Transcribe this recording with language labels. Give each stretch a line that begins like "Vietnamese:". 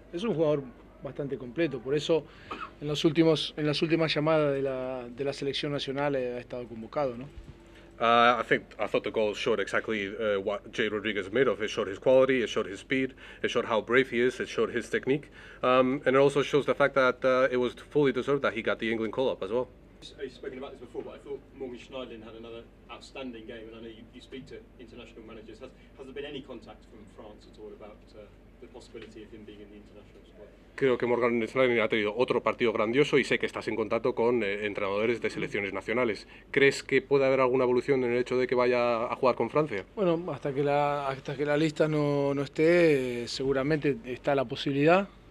Spanish: Es un jugador bastante completo, por eso en las últimas llamadas de la selección nacional ha estado convocado, ¿no?
English: I thought the goal showed exactly what Jay Rodriguez is made of. It showed his quality, it showed his speed, it showed how brave he is, it showed his technique, and it also shows the fact that it was fully deserved that he got the England call-up as well. You've spoken about this before, but I thought Morgan Schneiderlin had another outstanding game, and I know you speak to international managers. Has there been any contact from France at all about the possibility of him being in the international squad?
Spanish: Creo que Morgan Schneiderlin ha tenido otro partido grandioso y sé que estás en contacto con entrenadores de selecciones nacionales. ¿Crees que puede haber alguna evolución en el hecho de que vaya a jugar con Francia? Bueno, hasta que la lista no esté, seguramente está la posibilidad.